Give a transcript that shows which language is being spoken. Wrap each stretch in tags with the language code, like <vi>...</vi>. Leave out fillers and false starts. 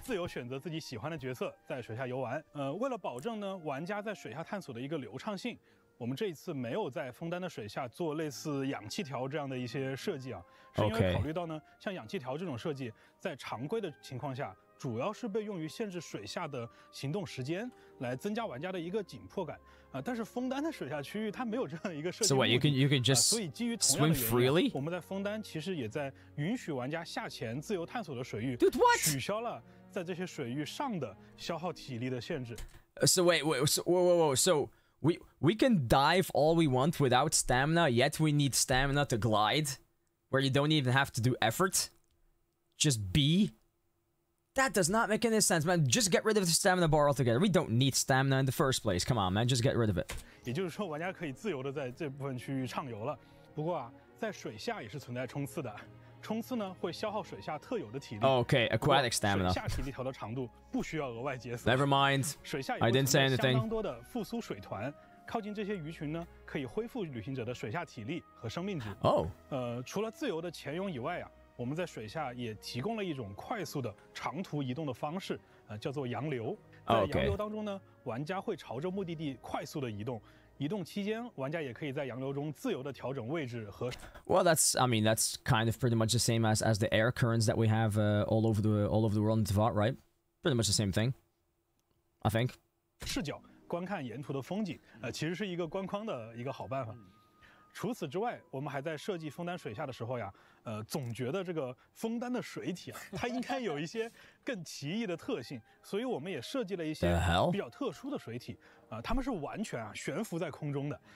<zh>自由选择自己喜欢的角色在水下游玩。为了保证呢玩家在水下探索的一个流畅性，我们这一次没有在枫丹的水下做类似氧气条这样的一些设计啊，是因为考虑到呢，像氧气条这种设计，在常规的情况下，主要是被用于限制水下的行动时间，来增加玩家的一个紧迫感啊。但是枫丹的水下区域它没有这样一个设计，所以</zh> <en>you can just</en> <zh>所以基于同样的原因，我们在枫丹其实也在允许玩家下潜自由探索的水域，取消了在这些水域上的消耗体力的限制。</zh> <en>We can dive all we want without stamina, yet we need stamina to glide, where you don't even have to do effort. Just be. That does not make any sense, man. Just get rid of the stamina bar altogether. We don't need stamina in the first place. Come on, man. Just get rid of it.</en> <zh>也就是说，玩家可以自由的在这部分区域畅游了。不过啊，在水下也是存在冲刺的。冲刺呢会消耗水下特有的体力。</zh> <en>Okay, aquatic stamina.</en> <zh>水下体力条的长度不需要额外解锁。</zh> <en>Never mind.</en> <zh>水下有相当多的复苏水团，靠近这些鱼群呢，可以恢复旅行者的水下体力和生命值。除了自由的潜泳以外啊，我们在水下也提供了一种快速的长途移动的方式，叫做洋流。在洋流当中呢，玩家会朝着目的地快速的移动。移动期间，玩家也可以在洋流中自由的调整位置和。</zh> <en>Well, that's, I mean, that's kind of pretty much the same as the air currents that we have all over the world in Teyvat, right? Pretty much the same thing, I think.</en> <zh>视角观看沿途的风景，其实是一个观光的一个好办法。除此之外，我们还在设计枫丹水下的时候呀，总觉得这个枫丹的水体啊，它应该有一些更奇异的特性，所以我们也设计了一些比较特殊的水体，它们是完全啊悬浮在空中的。</zh>